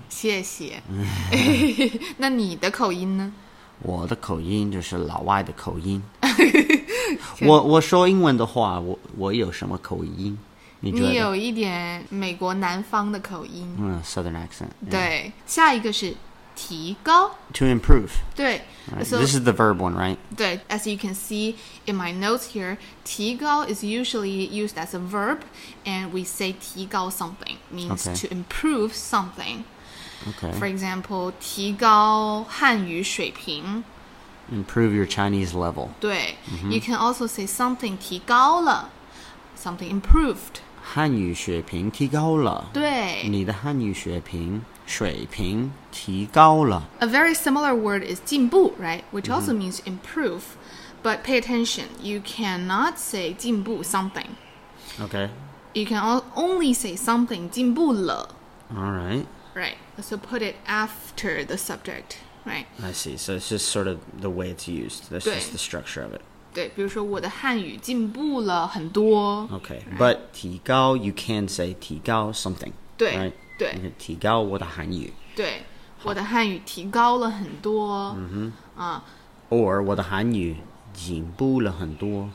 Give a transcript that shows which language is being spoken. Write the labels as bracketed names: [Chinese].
[Chinese] 谢谢。那你的口音呢？我的口音就是老外的口音。我说英文的话，我有什么口音？你有一点美国南方的口音。 [English] Southern accent、yeah.。 [Chinese] 对，下一个是提高 [English] To improve. [Chinese] 对 [English] right, so, This is the verb one, right? 对 As you can see in my notes here, 提高 is usually used as a verb, and we say 提高 something means okay. to improve something. Okay. For example, [Chinese] 提高汉语水平 [English] Improve your Chinese level. [Chinese] 对、mm-hmm. [English] You can also say something 提高了 Something improved. [Chinese] 汉语水平提高了。对。你的汉语水平提高了。 [English] A very similar word is 进步, right? Which also、mm-hmm. means improve. But pay attention, you cannot say 进步 something. Okay. You can only say something 进步了。 Alright. Right. So put it after the subject, right? I see. So it's just sort of the way it's used. That's just the structure of it. [Chinese] 对，比如说我的汉语进步了很多。 [English] Okay, but 提高 you can say 提高 something. [Chinese] 对、 [English] right? [Chinese] 对，提高我的汉语。对，我的汉语提高了很多。嗯哼。 Or 我的汉语进步了很多。